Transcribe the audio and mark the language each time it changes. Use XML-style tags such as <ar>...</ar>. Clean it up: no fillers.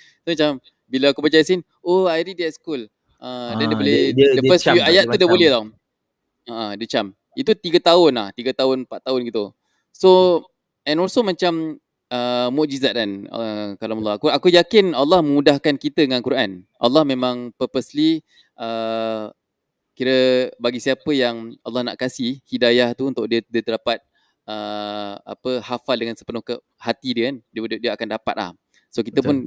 <ms>So macam bila aku baca Yasin,</ms> <en>oh I read at school.</en> <ms>Then dia boleh,</ms> <en>the first few</en> <ms>ayat tu dia boleh tau. Dia cam. Itu 3 tahun lah, 3 tahun, 4 tahun gitu.</ms> <en>So, and also</en> <ms>macam mukjizat kan, kalau Allah. Aku yakin Allah memudahkan kita dengan Quran. Allah memang purposely kira bagi siapa yang Allah nak kasih hidayah tu untuk dia terdapat apa, hafal dengan sepenuh hati dia kan, dia akan dapat lah. So kita betul.</ms>